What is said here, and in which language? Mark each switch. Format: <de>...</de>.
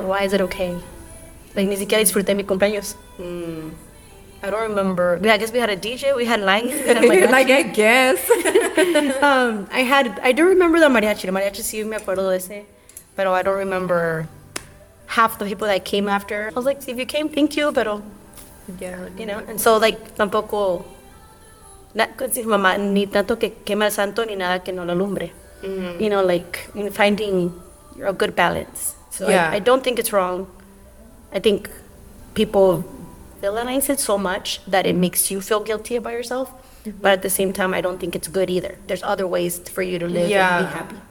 <en>Why is it okay?</en> <es>Ni siquiera disfruté mi cumpleaños.</es> <en>I don't remember. Yeah, I guess we had a DJ. We had lines. I guess. I do remember the mariachi. The mariachi,</en> <es>sí, me acuerdo de ese.</es> <en>But I don't remember half the people that came after. I was like, if you came, thank you,</en> <es>pero...</es> <en>Yeah.</en> <es>Tampoco con su mamá, ni tanto que quema el santo ni nada que no lo alumbre.</es> <en>You know, like in finding a good balance. So yeah. I don't think it's wrong. I think people villainize it so much that it makes you feel guilty about yourself. Mm-hmm. But at the same time, I don't think it's good either. There's other ways for you to live and be happy.</en>